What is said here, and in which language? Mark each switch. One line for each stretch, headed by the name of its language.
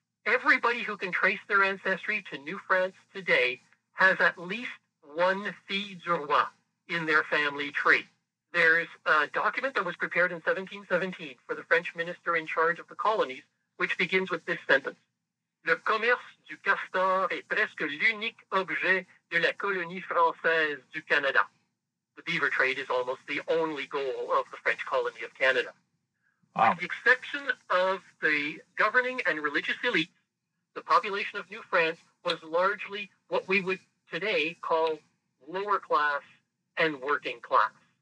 English: Everybody who can trace their ancestry to New France today has at least one fille du roi in their family tree. There's a document that was prepared in 1717 for the French minister in charge of the colonies, which begins with this sentence.
French: Le commerce du castor est presque l'unique objet de la colonie française du Canada.
English: The beaver trade is almost the only goal of the French colony of Canada. Wow. With the exception of the governing and religious elites, the population of New France was largely what we would today call lower class and working class.